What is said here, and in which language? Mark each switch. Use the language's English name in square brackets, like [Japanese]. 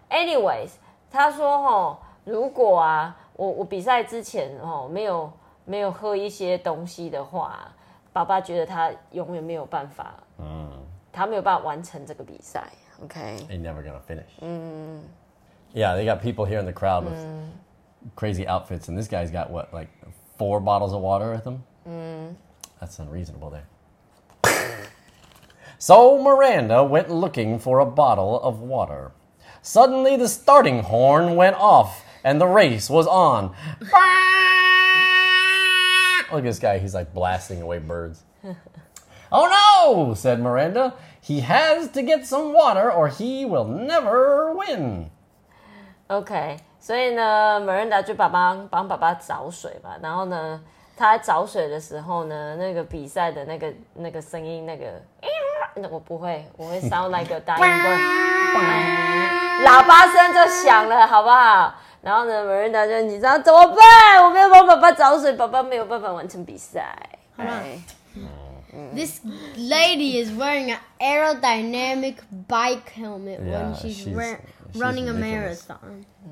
[English] Anyways, [Chinese] 他说哈，如果啊，我比赛之前哈没有喝一些东西的话，爸爸觉得他永远没有办法，他没有办法完成这个比赛。 [English] Okay, he's never gonna finish. Yeah, they got people here in the crowd with crazy outfits, and this guy's got, what, like 4 bottles of water with him? That's unreasonable there. So Miranda went looking for a bottle of water. Suddenly the starting horn went off, and the race was on. Look at this guy, he's like blasting away birds. Oh no, said Miranda. He has to get some water or he will never win. [Chinese] OK, 所以呢 ,Miranda 就帮爸爸找水吧。然后呢他在找水的时候呢那个比赛的那个声音那个。我不会 [English] sound like a dying bird. [Chinese] 喇叭声就响了，好不好？然后呢 ，Miranda 就你知道怎么办？我没有帮爸爸找水，爸爸没有办法完成比赛。 [English] This lady is wearing an aerodynamic bike helmet when she's running a marathon.